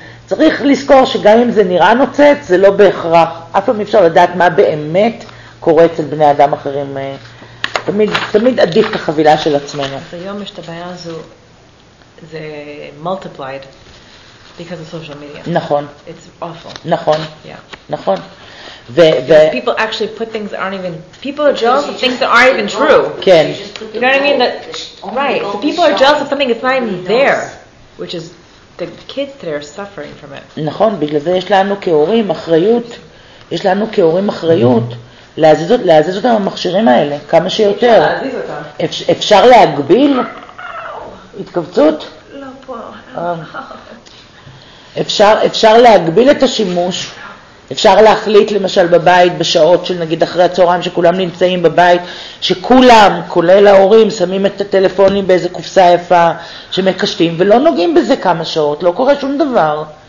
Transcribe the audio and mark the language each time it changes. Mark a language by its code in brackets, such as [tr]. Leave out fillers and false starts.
[he] צריך לזכור שגם אם זה נראה נוצץ, זה לא בהכרח. אף פעם אפשר לדעת מה באמת קורה אצל בני אדם אחרים. תמיד עדיף את החבילה של עצמנו. אז היום יש את הבעיה הזו, זה [en] multiplied because of social media. [he] נכון. [en] It's awful. [he] נכון. [en] Yeah. [he] נכון. [en] People actually put things that aren't even... People are jealous of things that aren't even true. [he] כן. [en] You know what I mean? Right. So people are jealous of something that's not even there, which is... the kids that are suffering from it. [he] נכון, בגלל זה יש לנו כהורים אחריות, יש לנו כהורים אחריות להזיז אותם המכשירים האלה, כמה שיותר. אפשר להגביל התכווצות? לא פה. אפשר להגביל את השימוש, אפשר להחליט למשל בבית בשעות של נגיד אחרי הצהריים שכולם נמצאים בבית, שכולם, כולל ההורים, שמים את הטלפונים באיזה קופסה יפה שמקשטים ולא נוגעים בזה כמה שעות, לא קורה שום דבר.